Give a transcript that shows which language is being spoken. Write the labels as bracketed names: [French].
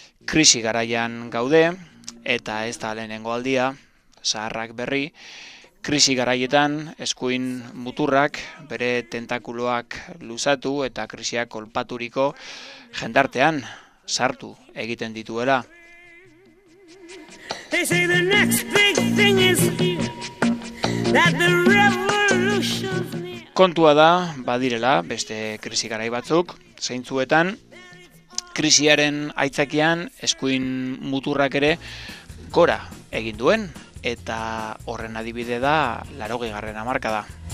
[Basque] krisi garaian gaude, eta ez da lehenengo aldia, zaharrak berri, krisi garaietan eskuin muturrak bere tentakuloak luzatu eta krisiak kolpaturiko jendartean sartu egiten dituela. [English] They say the next big thing is that the revolution's near. [Basque] Kontua da, badirela, beste krisi garai batzuk, zeintzuetan, krisiaren aitzakian eskuin muturrak ere gora egin duen, eta horren adibide da 80. Hamarkada.